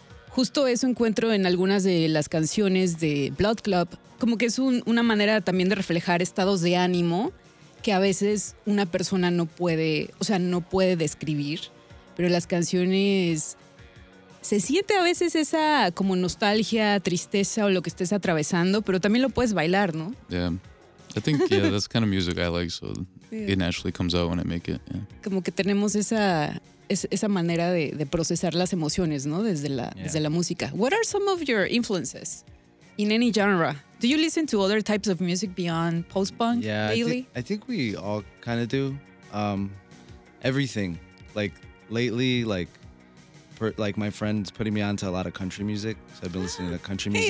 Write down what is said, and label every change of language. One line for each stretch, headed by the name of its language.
Spanish: Justo eso encuentro en algunas de las canciones de Blood Club, como que es una manera también de reflejar estados de ánimo que a veces una persona no puede describir. Pero las canciones, se siente a veces esa como nostalgia, tristeza o lo que estés atravesando, pero también lo puedes bailar, ¿no?
English: Yeah, I think, yeah, that's kind of music I like, so it naturally comes out when I make it. Yeah.
Spanish: Como que tenemos esa manera de procesar las emociones, ¿no? Desde la música.
English: What are some of your influences in any genre? Do you listen to other types of music beyond post-punk daily? Yeah, I think we all kind of do. Everything, like... Lately, like my friend's putting me on to a lot of country music, so I've been listening to country music.